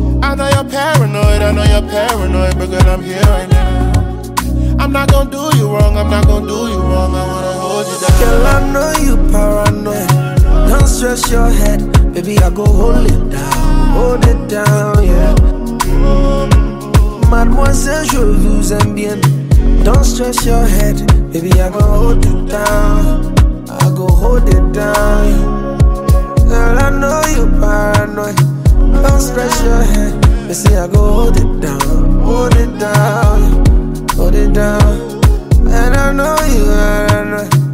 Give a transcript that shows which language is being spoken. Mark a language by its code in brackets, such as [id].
[en] I know you're paranoid, I know you're paranoid, but girl, I'm here right now. I'm not gonna do you wrong, I'm not gonna do you wrong. I wanna hold you down. Girl, I know you paranoid. Don't stress your head, baby, I go hold it down. Hold it down, yeah. [fr] Mademoiselle, je vous aime bien. [en] Don't stress your head, baby, I'm gonna hold you down. I'll go hold it down. Girl, I know you're paranoid. Don't stress your head, baby, see, I go hold it down. Hold it down, hold it down. And I know you're paranoid.